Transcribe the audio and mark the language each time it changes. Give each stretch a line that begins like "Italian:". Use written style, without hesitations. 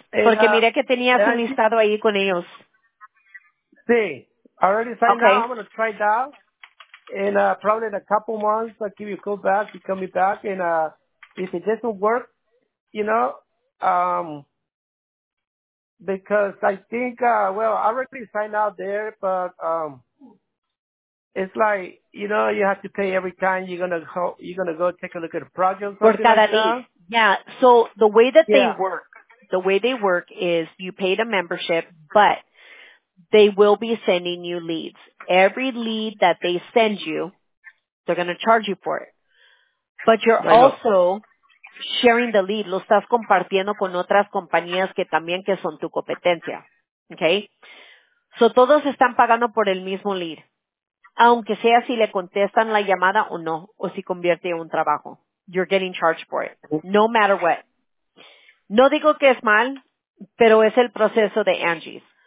Spanish: Porque mira que tenías un listado ahí con ellos. Sí.
English: I already signed up. I'm going to try it out. And probably in a couple months, I'll give you a call back. You call me back. And if it doesn't work, you know, because I think, well, I already signed out there, but it's like, you know, you have to pay every time you're gonna go take a look at a project.
Spanish: Por cada
English: like
Spanish: día.
English: Yeah. So the way that they work, the way they work is you pay the membership, but they will be sending you leads. Every lead that they send you, they're gonna charge you for it. But you're also sharing the lead.
Spanish: Lo estás compartiendo con otras compañías que también que son tu competencia. Okay? So todos están pagando por el mismo lead. Aunque sea si le contestan la llamada o no, o si convierte en un trabajo.
English: You're getting charged for it. No matter what.
Spanish: No digo que es mal, pero es el proceso de Angie's.